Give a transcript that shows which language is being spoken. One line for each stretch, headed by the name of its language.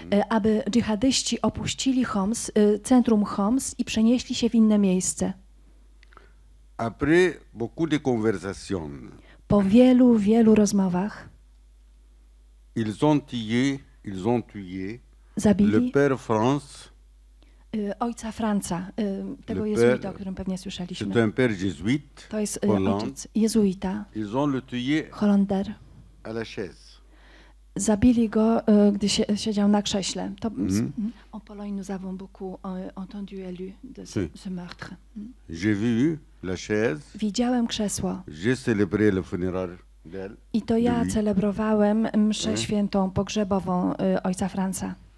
Polish: Aby dżihadyści opuścili Homs, centrum Homs i przenieśli się w inne miejsce.
French: Après beaucoup de conversations.
Polish: Po wielu, wielu rozmowach.
French: Ils ont tué.
Polish: Zabili.
French: Le père France.
Polish: Ojca Franca, tego jezuita, o którym pewnie słyszeliśmy.
French: C'est un père jésuite.
Polish: To jest ojciec jezuita.
French: Ils ont le tué. Holander. À la chaise.
Polish: Zabili go, gdy siedział na krześle.
French: To en Pologne nous avons beaucoup entendu élu de ce meurtre. J'ai vu la chaise.
Polish: Widziałem krzesło.
French: J'ai célébré le funérailles d'elle.
Polish: I to ja celebrowałem mszę świętą pogrzebową ojca Franca.